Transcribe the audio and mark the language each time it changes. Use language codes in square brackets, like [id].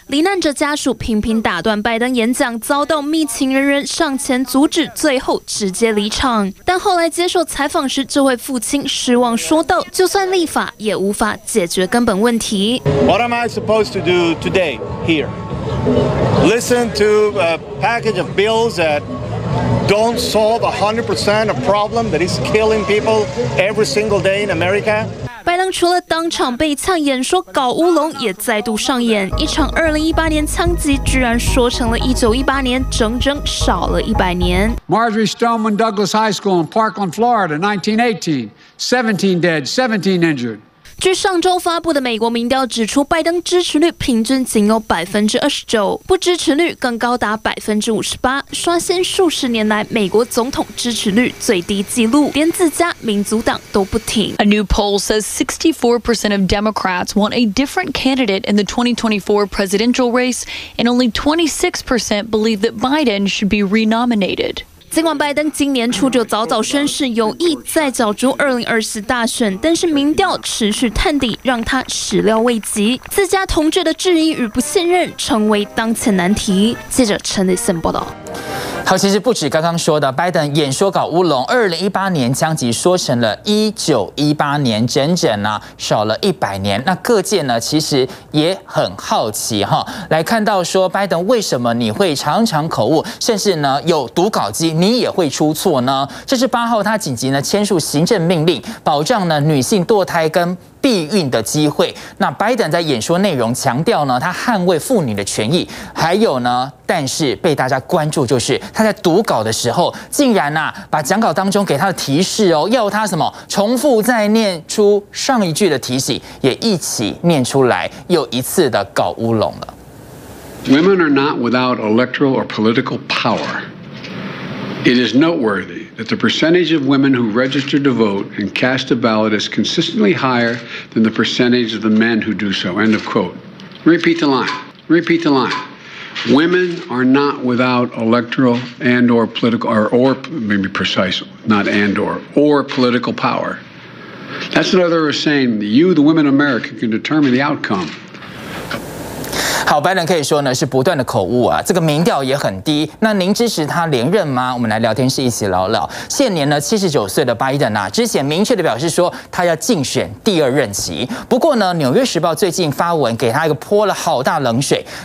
[zh] 罹难者家属频频打断拜登演讲，遭到密情人员上前阻止，最后直接离场。但后来接受采访时，这位父亲失望说道：“就算立法，也无法解决根本问题。” [en] What am I supposed to do today here? Listen to a package of bills that don't solve 100% of problem that is killing people every single day in America? [zh] 拜登除了当场被呛，演说搞乌龙也再度上演，一场2018年枪击居然说成了1918年，整整少了100年。 [en] Marjorie Stoneman Douglas High School in Parkland, Florida, 1918, 17 dead, 17 injured. [zh] 据上周发布的美国民调指出，拜登支持率平均仅有29%，不支持率更高达58%，刷新数十年来美国总统支持率最低纪录。连自家民主党都不停。 [en] A new poll says 64% of Democrats want a different candidate in the 2024 presidential race, and only 26% believe that Biden should be renominated. [zh] 尽管拜登今年初就早早宣誓有意再角逐2024大选，但是民调持续探底，让他始料未及。自家同志的质疑与不信任成为当前难题。记者陈立森报道。好，其实不止刚刚说的拜登演说搞乌龙，2018年枪击说成了1918年，整整呢少了100年。那各界呢其实也很好奇哈，来看到说拜登为什么你会常常口误，甚至呢有读稿机你也会出错呢？这是8号他紧急呢签署行政命令，保障呢女性堕胎跟避孕的机会。那拜登在演说内容强调呢，他捍卫妇女的权益，还有呢，但是被大家关注就是他在读稿的时候，竟然呢、把讲稿当中给他的提示哦，要他什么重复再念出上一句的提醒，也一起念出来，又一次的搞乌龙了。 [en] Women are not without electoral or political power. It is noteworthy. That the percentage of women who registered to vote and cast a ballot is consistently higher than the percentage of the men who do so. End of quote. Repeat the line. Repeat the line. Women are not without electoral and or political or maybe precise, not and or political power. That's another way of saying that you, the women of America, can determine the outcome. [zh] 好，拜登可以说呢是不断的口误啊，这个民调也很低。那您支持他连任吗？我们来聊天室一起聊聊。现年呢79岁的拜登啊，之前明确的表示说他要竞选第二任期。不过呢，纽约时报最近发文给他一个泼了好大冷水。